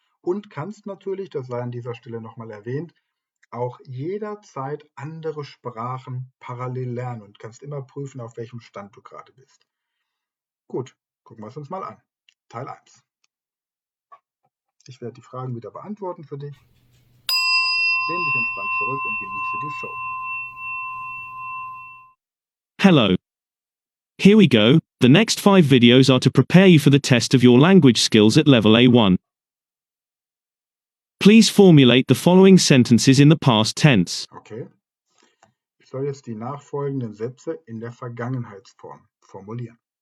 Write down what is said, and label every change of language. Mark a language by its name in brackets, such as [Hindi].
[German] Und kannst natürlich, das sei an dieser Stelle nochmal erwähnt, auch jederzeit andere Sprachen parallel lernen und kannst immer prüfen, auf welchem Stand du gerade bist. Gut, gucken wir es uns mal an. Teil 1. Ich werde die Fragen wieder beantworten für dich. Lehn dich entspannt zurück und genieße die Show. [English] Hello. Here we go. The next 5 videos are to prepare you for the test of your language skills at level A1. Please formulate the following sentences in the past tense. [German] Okay. Ich soll jetzt die nachfolgenden Sätze in der Vergangenheitsform formulieren.